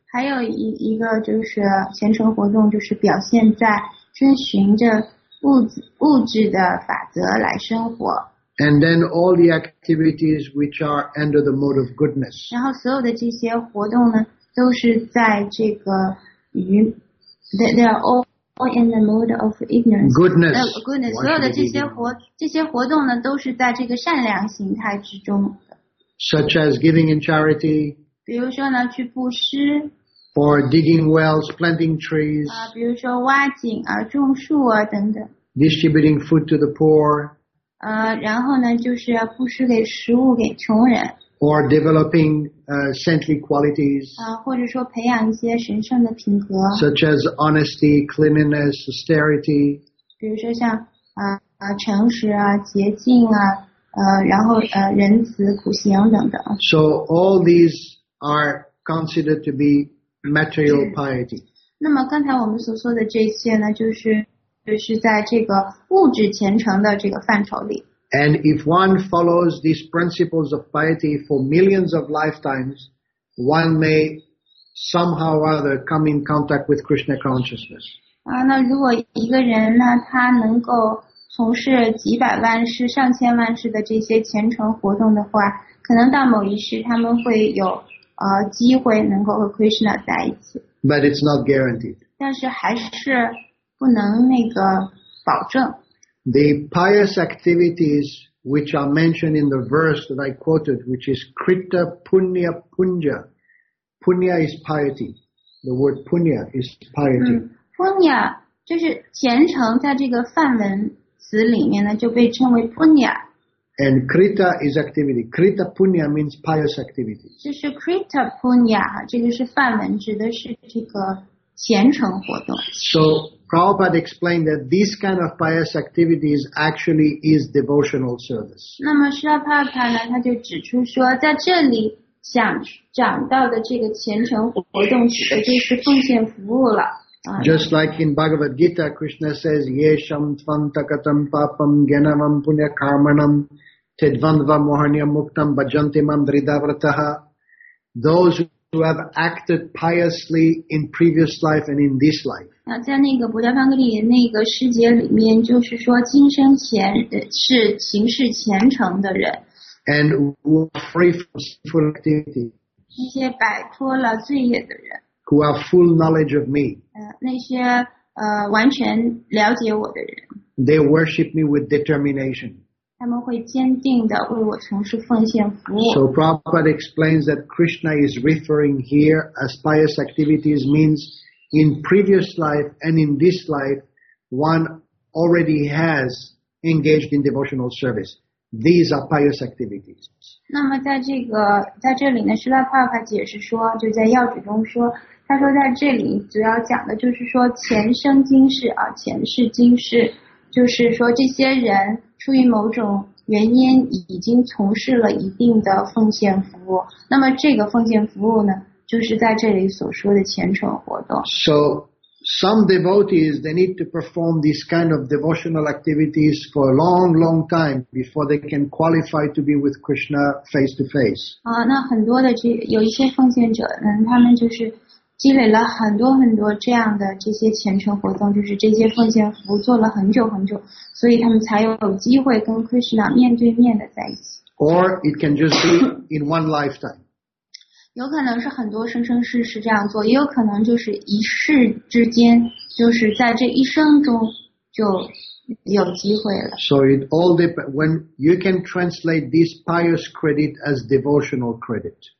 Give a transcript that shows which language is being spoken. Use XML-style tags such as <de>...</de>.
<zh>还有一个就是虔诚活动，就是表现在遵循着物质的法则来生活。</zh> <en>And then all the activities which are under the mode of goodness.</en> <zh>然后所有的这些活动呢，都是在这个于</zh> <en>they are all in the mode of ignorance. Goodness. Goodness.</en> <zh>所有的这些活动呢，都是在这个善良形态之中。</zh> <en>Such as giving in charity.</en> <zh>比如说呢，去布施。</zh> <en>Or digging wells, planting trees.</en> <zh>比如说挖井啊，种树啊，等等。</zh> <en>Distributing food to the poor.</en> <zh>然后呢，就是要布施给食物给穷人。</zh> <en>Or developing saintly qualities.</en> <zh>或者说培养一些神圣的品格。</zh> <en>Such as honesty, cleanliness, austerity.</en> <zh>比如说像诚实啊，洁净啊，然后仁慈、苦行等等。</zh> <en>So all these are considered to be material piety.</en> <zh>那么刚才我们所说的这些呢，就是在这个物质虔诚的这个范畴里。</zh> <en>And if one follows these principles of piety for millions of lifetimes, one may somehow or other come in contact with Krishna consciousness.</en> <zh>那如果一个人呢，他能够从事几百万世、上千万世的这些虔诚活动的话，可能到某一世他们会有机会能够和 Krishna 在一起。</zh> <en>But it's not guaranteed.</en> <zh>但是还是不能那个保证。</zh> <en>The pious activities which are mentioned in the verse that I quoted, which is Krita Punya Punja. Punya is piety. The word Punya is piety.</en> <zh>Punya 就是虔诚，在这个梵文词里面呢，就被称为 Punya。</zh> <en>And Krita is activity. Krita Punya means pious activity.</en> <zh>就是 Krita Punya, 这个是梵文，指的是这个虔诚活动。</zh> <en>So, Prabhupada explained that this kind of pious activities actually is devotional service.</en> <zh>那么释迦帕帕呢，他就指出说，在这里想讲到的这个虔诚活动，指的就是奉献服务了。</zh> <en>Just like in Bhagavad Gita, Krishna says,</en> <sa>Yesham tvantakatam papam genavam punya karmanam tedvandva mohaniyam muktam bhajantimam dridavrataha.</sa> <en>Those who have acted piously in previous life and in this life.</en> <zh>在那个布达班格里那个世界里面，就是说今生前是行事虔诚的人。</zh> <en>And who are free from sinful activity.</en> <zh>一些摆脱了罪业的人。</zh> <en>Who have full knowledge of me.</en> <zh>那些完全了解我的人。</zh> <en>They worship me with determination.</en> <zh>他们会坚定地为我从事奉献服务。</zh> <en>So Prabhupada explains that Krishna is referring here as pious activities means in previous life and in this life, one already has engaged in devotional service. These are pious activities.</en> <zh>那么在这里呢，释迦帕帕解释说，就在要旨中说，他说在这里主要讲的就是说前生今世啊，前世今世，就是说这些人出于某种原因已经从事了一定的奉献服务，那么这个奉献服务呢，就是在这里所说的虔诚活动。</zh> <en>So some devotees, they need to perform these kind of devotional activities for a long, long time before they can qualify to be with Krishna face to face.</en> <zh>那很多的有一些奉献者呢，他们就是积累了很多很多这样的这些虔诚活动，就是这些奉献服务做了很久很久，所以他们才有机会跟 Krishna 面对面的在一起。</zh> <en>Or it can just be in one lifetime.</en> <zh>有可能是很多生生世世这样做，也有可能就是一世之间，就是在这一生中就有机会了。</zh> <en>So it all depends when you can translate this pious credit as devotional credit.</en>